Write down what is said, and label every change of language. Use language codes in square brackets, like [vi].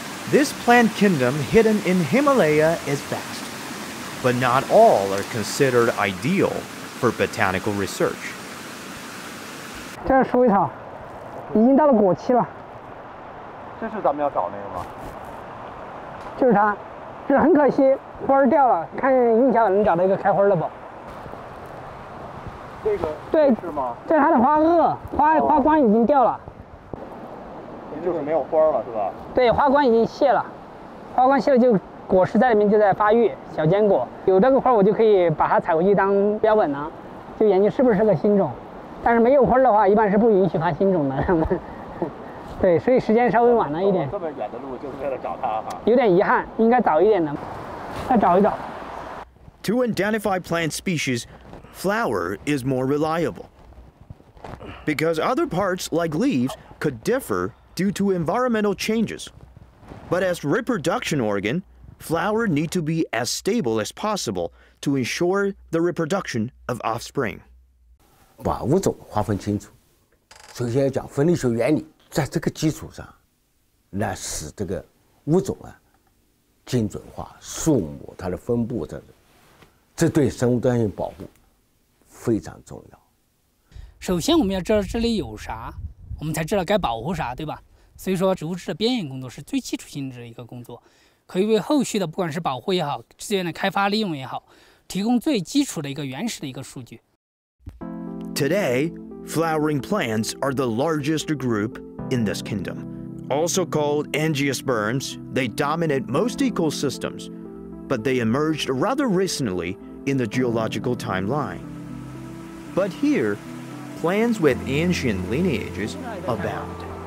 [en] This plant kingdom hidden in Himalaya is vast, but not all are considered ideal for botanical research. [zh] 这是鼠尾草，已经到了果期了。这是咱们要找那个吗？就是它，这很可惜，花儿掉了，看运气好能找到一个开花的吧。这个对是吗？这它的花萼、花冠已经掉了。就是没有花了是吧？对，花冠已经卸了，花冠卸了就果实在里面就在发育，小坚果有这个花我就可以把它采回去当标本了，就研究是不是个新种，但是没有花的话一般是不允许发新种的。对，所以时间稍微晚了一点，这么远的路就是为了找它哈，有点遗憾，应该早一点的再找一找。 [en] To identify plant species, flower is more reliable because other parts like leaves could differdue to environmental changes. But as reproduction organ, flower need to be as stable as possible to ensure the reproduction of offspring. [zh] 把物种划分清楚，首先要讲分类学原理，在这个基础上来使这个物种啊精准化，树木它的分布等等，这对生物多样性保护非常重要。首先我们要知道这里有啥，我们才知道该保护啥，对吧？所以说植物志的编研工作是最基础性质的一个工作，可以为后续的不管是保护也好，资源的开发利用也好，提供最基础的一个原始的一个数据。 [en] Today, flowering plants are the largest group in this kingdom. Also called angiosperms, they dominate most ecosystems, but they emerged rather recently in the geological timeline. But hereplants with ancient lineages abound.